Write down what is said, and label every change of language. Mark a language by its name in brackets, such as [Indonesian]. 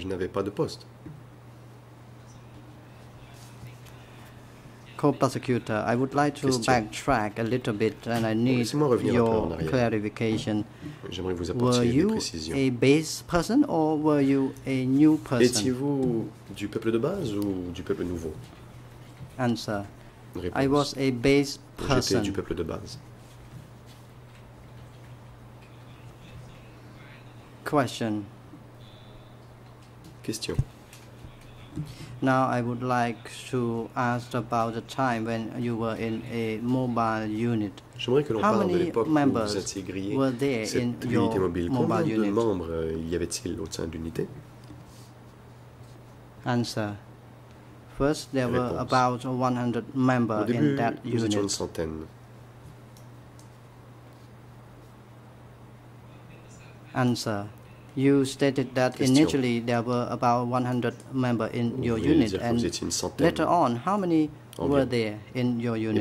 [French] Je n'avais pas de poste. [English] co-prosecutor, I would like to backtrack a little bit, and I need your clarification. [French] J'aimerais vous apporter des précisions. [English] Were you a base person or were you a new person? [French] Étiez-vous du peuple de base ou du peuple nouveau? [English] Answer. I was a base person. [French] J'étais du peuple de base. [English] Question. Now I would like to ask about the time when you were in a mobile unit. J'aimerais que l'on parle de l'époque où vous intégriez cette unité mobile. [French] Combien de membres y avait-il au sein d'unité? [English] Answer. First, there were about 100 members in that unit. [French] Au début, nous étions une centaine. [English] Answer. You stated that initially there were about 100 members in your unit, and later on, how many were there in your unit?